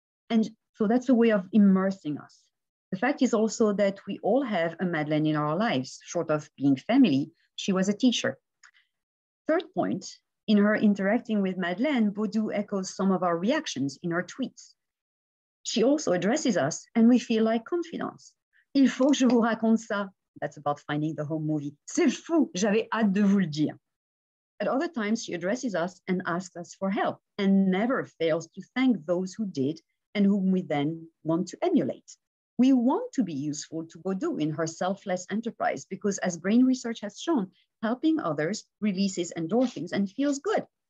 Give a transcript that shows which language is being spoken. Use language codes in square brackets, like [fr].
[en] And so that's a way of immersing us. The fact is also that we all have a Madeleine in our lives, short of being family. She was a teacher. Third point, in her interacting with Madeleine, Baudou echoes some of our reactions in her tweets. She also addresses us and we feel like confidants. [fr] Il faut que je vous raconte ça. [en] That's about finding the home movie. [fr] C'est fou, j'avais hâte de vous le dire. [en] At other times, she addresses us and asks us for help and never fails to thank those who did and whom we then want to emulate. We want to be useful to Baudou in her selfless enterprise because as brain research has shown, helping others releases endorphins and feels good.